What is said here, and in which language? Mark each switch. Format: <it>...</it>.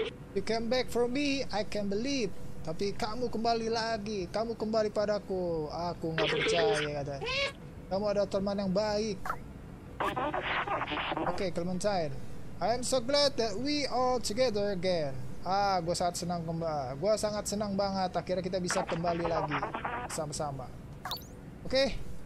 <en>You came back for me, I can believe.</en> <id>Tapi kamu kembali lagi, kamu kembali padaku. Aku nggak percaya, kata. Kamu ada teman yang baik.</id> <en>Okay, Clementine. I am so glad that we all together again.</en> <id>Ah, gue sangat senang kembali. Gue sangat senang banget. Akhirnya kita bisa kembali lagi sama-sama. Oke.</id>